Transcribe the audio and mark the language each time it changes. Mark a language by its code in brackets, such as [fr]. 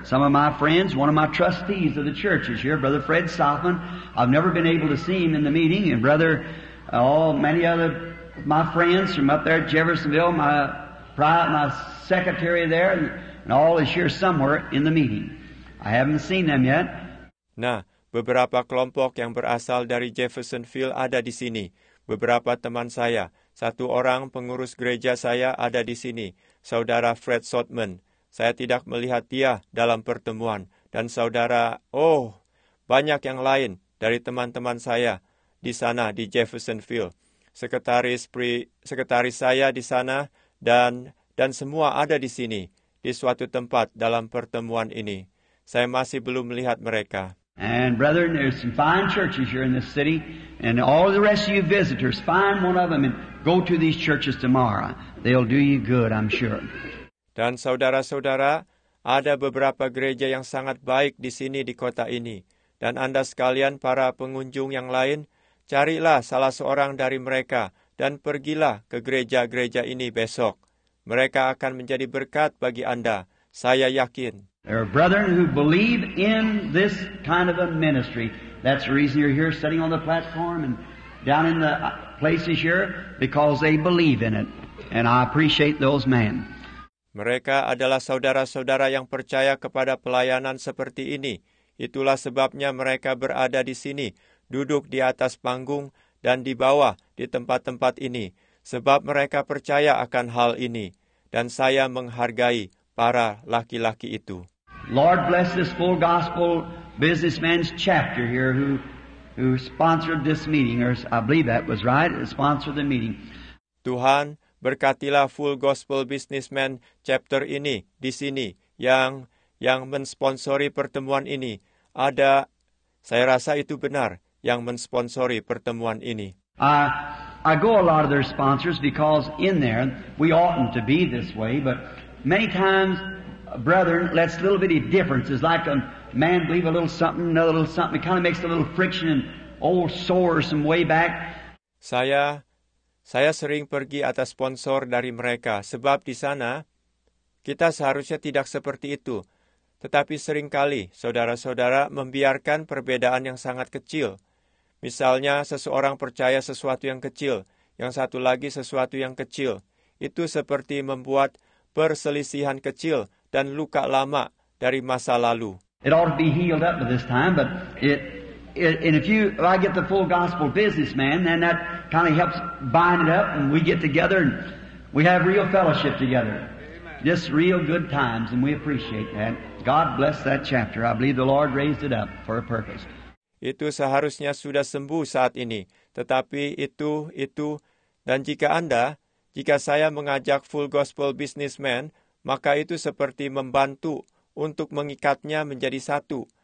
[en] Some of my friends, one of my trustees of the church is here, Brother Fred Southman. I've never been able to see him in the meeting. And Brother, many other my friends from up there at Jeffersonville, my secretary there, and all is here somewhere in the meeting. I haven't seen them yet. [id] Nah, beberapa kelompok yang berasal dari Jeffersonville ada di sini. Beberapa teman saya, satu orang pengurus gereja saya ada di sini. Saudara Fred Sotman, saya tidak melihat dia dalam pertemuan. Dan saudara, banyak yang lain dari teman-teman saya di sana, di Jeffersonville. Sekretaris saya di sana dan semua ada di sini, di suatu tempat dalam pertemuan ini. Saya masih belum melihat mereka. [en] And brethren, there's some fine churches here in this city, and all the rest of you visitors, find one of them and go to these churches tomorrow. They'll do you good, I'm sure. [id] Dan saudara-saudara, ada beberapa gereja yang sangat baik di sini di kota ini. Dan Anda sekalian para pengunjung yang lain, carilah salah seorang dari mereka dan pergilah ke gereja-gereja ini besok. Mereka akan menjadi berkat bagi Anda, saya yakin. [en] There are brethren who believe in this kind of a ministry. That's the reason you're here sitting on the platform and down in the places here, because they believe in it. And I appreciate those men. [id] Mereka adalah saudara-saudara yang percaya kepada pelayanan seperti ini. Itulah sebabnya mereka berada di sini, duduk di atas panggung dan di bawah di tempat-tempat ini, sebab mereka percaya akan hal ini. Dan saya menghargai para laki-laki itu. [en] Lord bless this full gospel businessman's chapter here who sponsored this meeting, or I believe that was right, sponsored the meeting. [id] Tuhan, berkatilah Full Gospel Businessman chapter ini di sini yang mensponsori pertemuan ini. Ada, saya rasa itu benar, yang mensponsori pertemuan ini. [en] I go a lot of their sponsors because in there we oughtn't to be this way, but many times, brethren, lets a little bitty difference. It's like a man believe a little something, another little something. It kind of makes a little friction and old sore some way back. [id] Saya sering pergi atas sponsor dari mereka, sebab di sana kita seharusnya tidak seperti itu. Tetapi seringkali, saudara-saudara membiarkan perbedaan yang sangat kecil. Misalnya, seseorang percaya sesuatu yang kecil, yang satu lagi sesuatu yang kecil. Itu seperti membuat perselisihan kecil dan luka lama dari masa lalu. [en] It ought to be healed up by this time, but if I get the full gospel businessman, then that kind of helps bind it up, and we get together and we have real fellowship together. Amen. Just real good times, and we appreciate that. God bless that chapter. I believe the Lord raised it up for a purpose. [id] Itu seharusnya sudah sembuh saat ini, tetapi itu dan jika saya mengajak full gospel businessman, maka itu seperti membantu untuk mengikatnya menjadi satu.